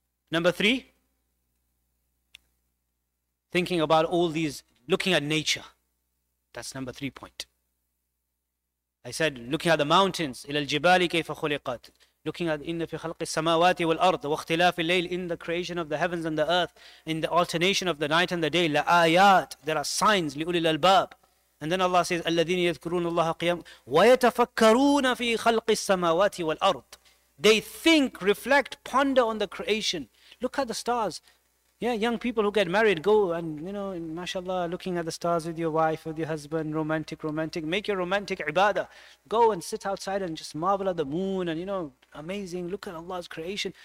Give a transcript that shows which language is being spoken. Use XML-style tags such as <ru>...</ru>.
<en>Number 3, thinking about all these, looking at nature. That's number 3 point. I said, looking at the mountains,</en> <ar>إِلَى الْجِبَالِ كَيْفَ خُلِقَتْ.</ar> <en>Looking at</en> <ar>إِنَّ فِي خَلْقِ السَّمَاوَاتِ وَالْأَرْضِ وَاخْتِلَافِ اللَّيْلِ,</ar> <en>in the creation of the heavens and the earth, in the alternation of the night and the day, لَآيَاتِ, there are signs,</en> <ar>لِأُولِي الْأَلْبَابِ.</ar> <en>And then Allah says,</en> <ar>الَّذِينِ يَذْكُرُونَ اللَّهَ قِيَامًا وَيَتَفَكَّرُونَ فِي خَلْقِ السَّمَاوَاتِ وَالْأَرْضِ.</ar> <en>They think, reflect, ponder on the creation. Look at the stars. Yeah, young people who get married, go and, you know, mashallah, looking at the stars with your wife, with your husband, romantic. Make your romantic ibadah. Go and sit outside and just marvel at the moon and, you know, amazing, look at Allah's creation.</en>